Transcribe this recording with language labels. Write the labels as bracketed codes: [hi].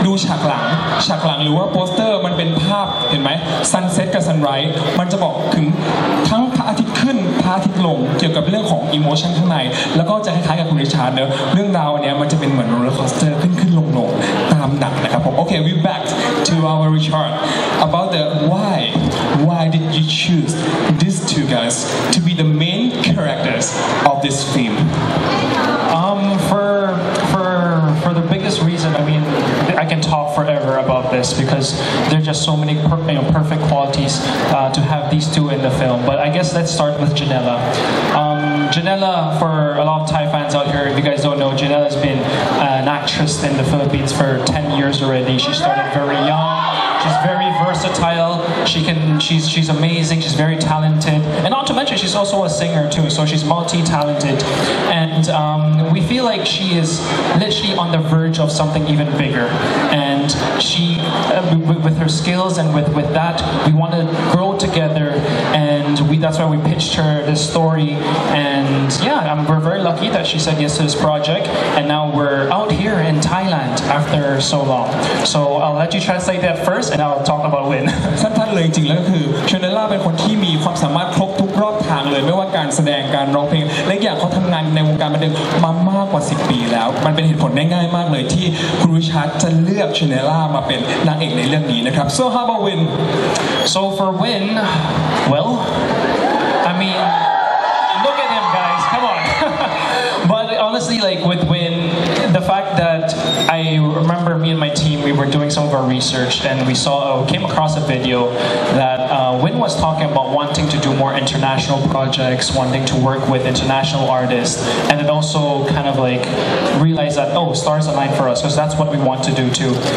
[th] ฉากหลังหรือว่าโปสเตอร์มันเป็นภาพเห็นไหมซันเซ็ตกับซันไรส์มันจะบอกถึงทั้งพระอาทิตย์ขึ้นพระอาทิตย์ลงเกี่ยวกับเรื่องของอีโมชันข้างในแล้วก็จะคล้ายๆกับคุณริชาร์ดเนอะเรื่องราวอันนี้มันจะเป็นเหมือนโรลเลอร์คอสเตอร์ขึ้นๆลงๆตามหนักนะครับผมโอเค [en] we back to our Richard about the why did you choose these two guys to be the main characters of this film for the biggest reason I mean I can talk forever about this because there's just so many perfect qualities to have these two in the film but I guess let's start with Janela Janela for a lot of Thai fans out here if you guys don't know Janela has been an actress in the Philippines for 10 years already she started very young she's very versatile versatile. She's amazing. She's very talented. And not to mention, she's also a singer too. So she's multi-talented. And we feel like she is literally on the verge of something even bigger. And she, with her skills and with that, we want to grow together. And that's why we pitched her this story. And yeah, we're very lucky that she said yes to this project. And now we're out here in Thailand after so long. So I'll let you translate that first, and I'll talk about Win. [th] สั้นๆเลยจริงๆแล้วก็คือชนล่าเป็นคนที่มีความสามารถครบทุกรอบทางเลยไม่ว่าการแสดงการร้องเพลงและอย่างเขาทำงานในวงการบันเทิงมามากกว่า10ปีแล้วมันเป็นเหตุผลง่ายๆมากเลยที่คุณวิชาจะเลือกชนล่ามาเป็นนางเอกในเรื่องนี้นะครับ [en] So how about Win? So for Win, well, I mean. Honestly, like with Win, the fact that I remember me and my team, we were doing some of our research and we came across a video that Win was talking about wanting to do more international projects, wanting to work with international artists, and then also kind of like realize that, oh, stars align for us, because that's what we want to do too.